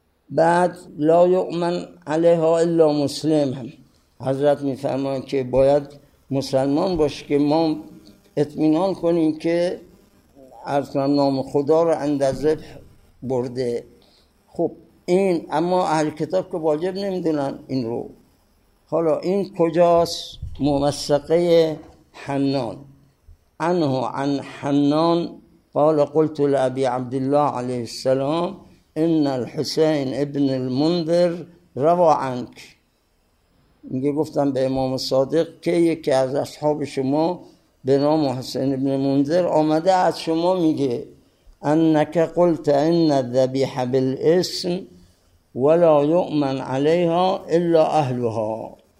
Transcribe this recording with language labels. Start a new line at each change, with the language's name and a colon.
Persian: بعد
Arabic: لا یؤمن علیها الا مسلم،
Persian: حضرت می فرمان که باید مسلمان باشه که ما اطمینان کنیم که ارسل نام خدا رو اندازه برده. خب این اما اهل کتاب که واجب نمیدونن این رو. حالا این کجاست؟ ممسقه حنان.
Arabic: عنه عن حنان قال قلت لأبي عبد الله عليه السلام إن الحسين ابن المنذر روى عنك.
Persian: میگه گفتم به امام صادق که یکی از اصحاب شما به نام حسین ابن المنذر آمده از شما میگه
Arabic: انك قلت إن الذبيح بالاسم ولا يؤمن عليها إلا أهلها.